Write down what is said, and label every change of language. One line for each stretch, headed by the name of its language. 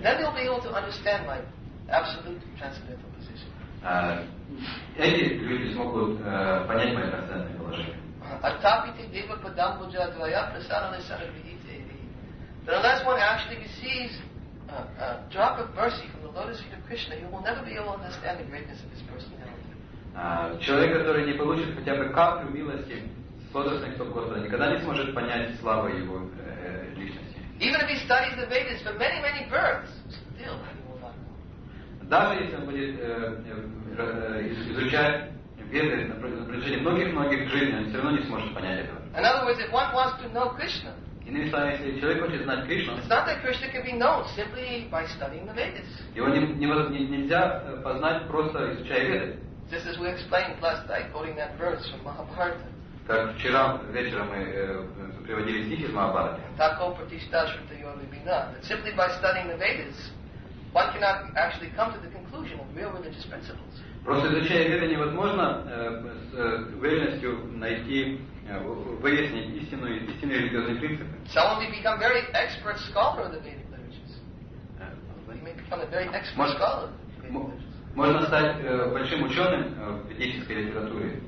English: Then they'll be able to understand my absolute transcendental position.
Russian: Эти люди смогут понять мое трансцендентное положение.
Sanskrit: Аттапити дива падам буджа двая прасарана сарабхите иди.
English: But unless one actually receives a drop of mercy from the lotus feet of Krishna, he will never be able to understand the greatness of his personality.
Russian: Человек, который не получит хотя бы каплю милости с лотосных стоп Господа, никогда не сможет понять славу его личности.
English: Even if he studies the Vedas for many, many births, still he will not know.
Russian: Даже если он будет изучать Веды на протяжении многих-многих жизней, он все равно не сможет понять этого.
English: In other words, if one wants to know Krishna,
Russian: иными словами, если человек хочет знать Кришну,
English: it's not that Krishna can be known simply by studying the Vedas.
Russian: Его нельзя познать просто изучая Веды.
English: Just as we explained last night, quoting that verse from Mahabharata.
Russian: Как вчера вечером мы приводили стихи из Махабхараты.
Sanskrit: Тако патиштасрута йоми бина.
English: That simply by studying the Vedas, one cannot actually come to the conclusion of real religious principles.
Russian: Просто изучая Веды невозможно с уверенностью найти выяснить истинные религиозные принципы.
English: Someone may become very expert scholar of the Vedic literatures. You may become a very expert scholar.
Russian: Можно стать большим ученым в ведической литературе.